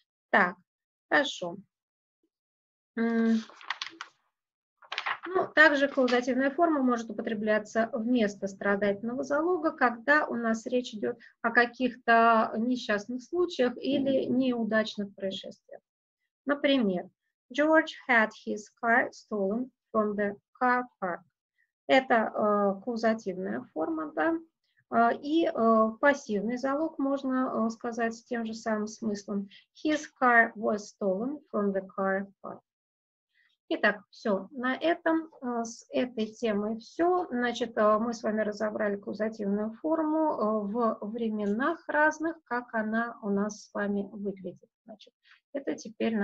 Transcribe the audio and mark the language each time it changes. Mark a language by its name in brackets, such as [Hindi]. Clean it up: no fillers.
[Russian] Так, хорошо. Ну, также каузативная форма может употребляться вместо страдательного залога, когда у нас речь идет о каких-то несчастных случаях или неудачных происшествиях. Например, [English] George had his car stolen from the car park. [Russian] Это каузативная форма, да. И пассивный залог можно сказать с тем же самым смыслом. [English] His car was stolen from the car park. [Russian] Итак, все, на этом, с этой темой все. Значит, мы с вами разобрали каузативную форму в временах разных, как она у нас с вами выглядит. Значит, это теперь надо будет закрепить упражнением. Все, всем спасибо.